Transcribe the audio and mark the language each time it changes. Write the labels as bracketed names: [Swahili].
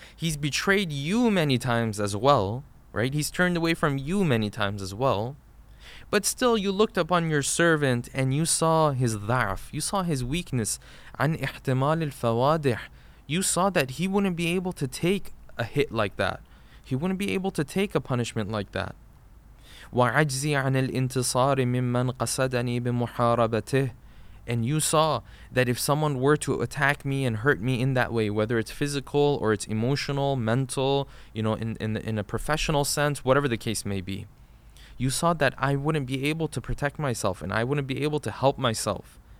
[English] He's betrayed you many times as well, right? He's turned away from you many times as well. But still, you looked upon your servant and you saw his [Arabic] ضعف. [English] You saw his weakness. [Arabic] عن احتمال الفوادح. [English] You saw that he wouldn't be able to take a hit like that. He wouldn't be able to take a punishment like that. [Arabic] وعجزي عن الانتصار ممن قصدني بمحاربته. [English] And you saw that if someone were to attack me and hurt me in that way, whether it's physical or it's emotional, mental, you know, in a professional sense, whatever the case may be, you saw that I wouldn't be able to protect myself and I wouldn't be able to help myself.